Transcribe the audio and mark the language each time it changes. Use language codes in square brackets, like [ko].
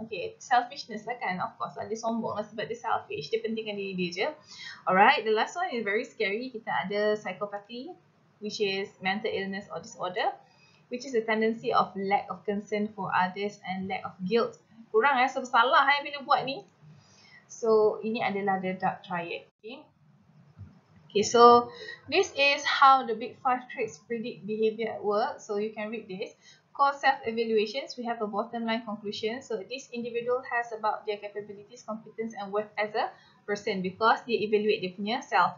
[ms] Okay, selfishness lah kan, [en] of course [ms] lah, dia sombong lah sebab dia selfish, dia pentingkan diri dia je. [en] Alright, the last one is very scary. [ms] Kita ada [en] psychopathy, which is mental illness or disorder, which is a tendency of lack of concern for others and lack of guilt. [ms] Kurang rasa bersalah eh bila buat ni. So ini adalah [en] the dark triad. Okay, okay, so this is how the Big Five traits predict behavior at work. So you can read this. Called self-evaluations, we have a bottom line conclusion. So this individual has about their capabilities, competence and worth as a person because they evaluate their punya self.